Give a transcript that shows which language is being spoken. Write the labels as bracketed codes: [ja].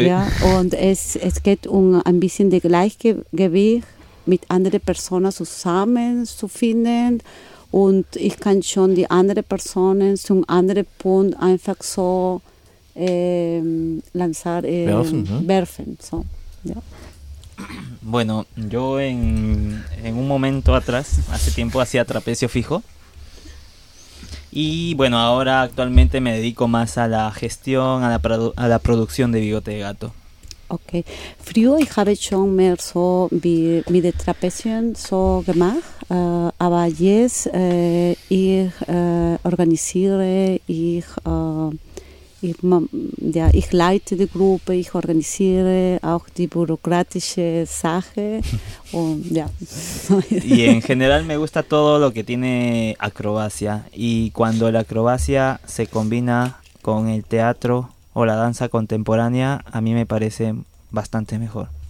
[de] Ja, und es geht um ein bisschen das Gleichgewicht mit anderen Personen zusammen zu finden und ich kann schon die anderen Personen zum anderen Punkt einfach so werfen. So, ja. [es] Bueno, yo en un momento atrás, hace tiempo hacía trapecio fijo. Y bueno, ahora actualmente me dedico más a la gestión, a la producción de bigote de gato. Okay. [de] Früher habe ich schon mehr so mit der Trapezio so gemacht, aber jetzt ich leite die Gruppe, ich organisiere auch die bürokratische Sache und ja. [es] Y en general me gusta todo lo que tiene acrobacia y cuando la acrobacia se combina con el teatro o la danza contemporánea, a mí me parece bastante mejor.